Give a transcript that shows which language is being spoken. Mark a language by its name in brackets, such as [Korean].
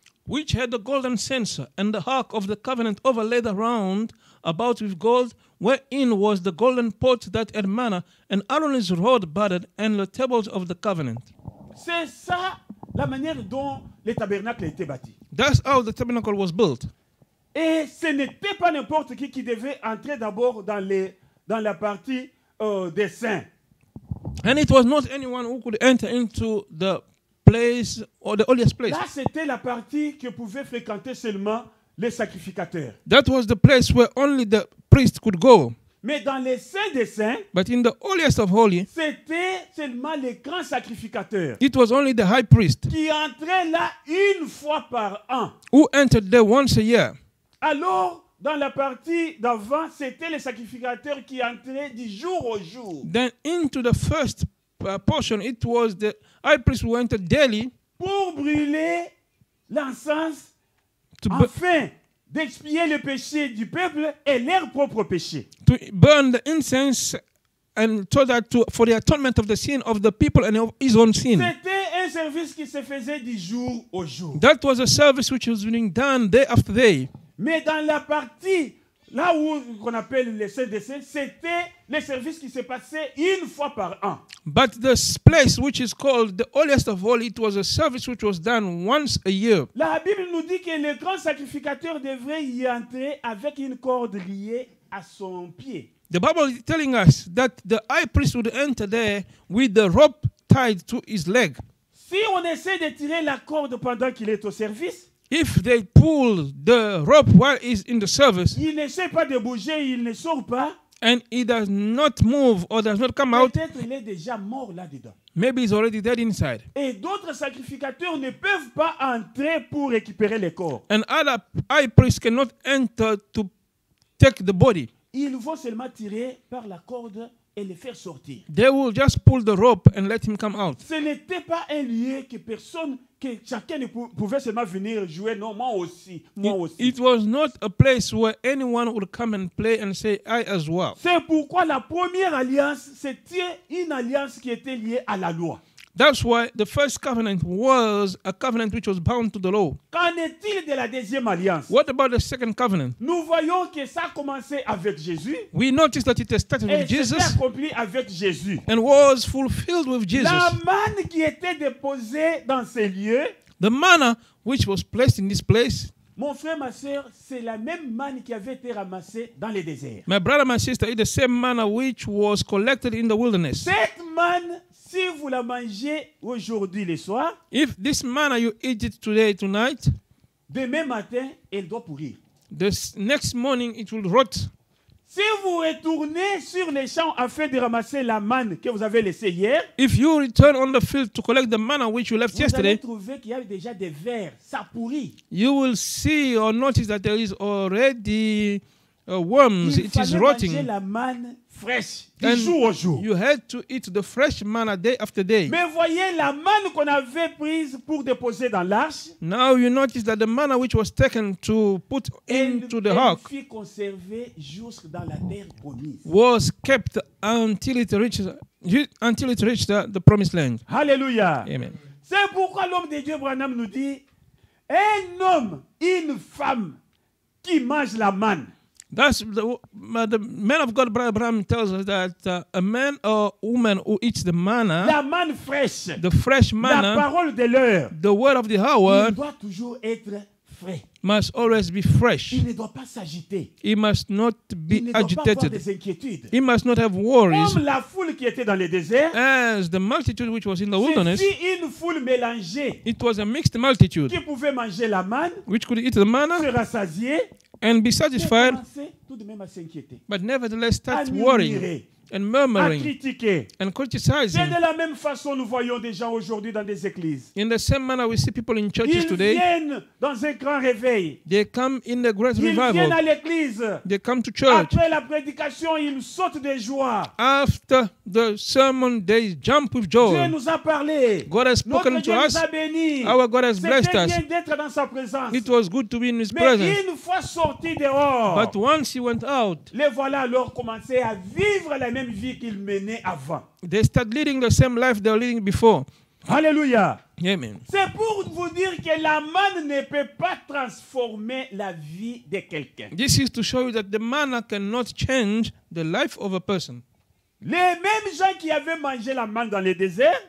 [English] Which had the golden censer and the ark of the covenant overlaid around about with gold, wherein was the golden pot that had manna and Aaron's rod budded and the tables of the covenant. [French] C'est ça la manière dont le tabernacle a été bâti. [English] That's how the tabernacle was built. [French] Et ce n'était pas n'importe qui devait entrer d'abord dans les dans la partie des saints. [English] And it was not anyone who could enter into the place or the holiest place. [French] Là, c'était la partie que pouvaient fréquenter seulement les sacrificateurs. [English] That was the place where only the priest could go. [French] Mais dans les saints des saints, [English] but in the holiest of holy, [French] c'était seulement les grands sacrificateurs. [English] It was only the high priest [French] qui entrait là une fois par an. [English] Who entered there once a year. [French] Alors dans la partie d'avant, c'était les sacrificateurs qui entraient du jour au jour. [English] Then into the first portion, it was the high priest who entered daily [French] pour brûler l'encens afin d'expier le péché du peuple et leur propre péché. [English] To burn the incense and so that to, for the atonement of the sin of the people and of his own sin. [French] C'était un service qui se faisait du jour au jour. [English] That was a service which was being done day after day. [French] Mais dans la partie là où qu'on appelle les saints des saints, c'était les services qui se passaient une fois par an. [English] But the place which is called the holiest of all, it was a service which was done once a year. [French] La Bible nous dit que le grand sacrificateur devrait y entrer avec une corde liée à son pied. [English] The Bible is telling us that the high priest would enter there with the rope tied to his leg. [French] Si on essaie de tirer la corde pendant qu'il est au service. [English] If they pull the rope while he's in the service, [French] il n'essaie pas de bouger, il ne sort pas. [English] And he does not move or does not come [French] peut-être [English] out. [French] Peut-être il est déjà mort là-dedans. [English] Maybe he's already dead inside. [French] Et d'autres sacrificateurs ne peuvent pas entrer pour récupérer les corps. [English] And other high priests cannot enter to take the body. [French] Il faut seulement tirer par la corde et le faire sortir. [English] They will just pull the rope and let him come out. [French] Ce n'était pas un lieu que personne que chacun pouvait seulement venir jouer, non, moi aussi, moi aussi. [English] It was not a place where anyone would come and play and say I as well. [French] C'est pourquoi la première alliance c'était une alliance qui était liée à la loi. [English] That's why the first covenant was a covenant which was bound to the law. [French] Qu'en est-il de la deuxième alliance? [English] What about the second covenant? [French] Nous voyons que ça a commencé avec Jésus. [English] We notice that it started with Jesus. [French] Et accompli avec Jésus. [English] And was fulfilled with Jesus. [French] La manne qui était déposée dans ces lieux. [English] The manna which was placed in this place. [French] Mon frère, ma sœur, c'est la même manne qui avait été ramassée dans le désert. [English] My brother, my sister, it's the same manna which was collected in the wilderness. [French] Cette manne, si vous la mangez aujourd'hui le soir, [English] if this manna you eat it today tonight, [French] demain matin elle doit pourrir. [English] The next morning it will rot. [French] Si vous retournez sur les champs afin de ramasser la manne que vous avez laissée hier, [English] if you return on the field to collect the manna which you left [French] vous [English] yesterday, [French] vous allez trouver qu'il y a déjà des vers, ça pourrit. [English] You will see or notice that there is already worms. [French] Il [English] it is rotting. [French] Manger la manne fraîche, du jour au jour. [English] You had to eat the fresh manna day after day. [French] Mais voyez la manne qu'on avait prise pour déposer dans l'arche. [English] Now you notice that the manna which was taken to put into the ark [French] fut conservée jusque dans la terre promise. [English] Was kept until it reached the promised land. Hallelujah. Amen. [French] C'est pourquoi l'homme de Dieu Branham nous dit, un homme, une femme qui mange la manne. [English] That's the man of God, Brother Abraham, tells us that a man or woman who eats the manna, [French] la manne fraîche, [English] the fresh manna, [French] la parole de l'heure, [English] the word of the hour, [French] il doit toujours être frais. [English] Must always be fresh. [French] Il ne doit pas s'agiter. [English] He must not be [French] il ne doit [English] agitated. [French] Pas avoir des inquiétudes. [English] He must not have worries. [French] Comme la foule qui était dans le désert, [English] as the multitude which was in the wilderness, [French] c'est une foule mélangée, [English] it was a mixed multitude, [French] qui pouvait manger la manne, [English] which could eat the manna, [French] se rassasier, [English] and be satisfied, [French] tout de même à s'inquiéter, [English] but nevertheless start worrying and murmuring and criticizing. [French] C'est de la même façon nous voyons des gens aujourd'hui dans des églises. [English] In the same manner we see people in churches today. [French] Ils viennent dans un grand réveil. [English] They come in the great revival. [French] Ils viennent à l'église. [English] They come to church. [French] Après la prédication, ils sautent de joie. [English] After the sermon, they jump with joy. [French] Dieu nous a parlé. [English] God has spoken to us. [French] Notre Dieu nous a bénis. [English] Our God has blessed us. [French] C'était bien d'être dans sa présence. [English] It was good to be in his [French] Mais [English] presence. [French] Mais une fois sorti dehors, [English] but once he went out, [French] les voilà alors commencer à vivre la même vie qu'ils menaient avant. [English] They start leading the same life they were leading before. Hallelujah. Amen. [French] C'est pour vous dire que la manne ne peut pas transformer la vie de quelqu'un. [English] This is to show you that the manna cannot change the life of a person. [French] Les mêmes gens qui avaient mangé la manne dans le désert,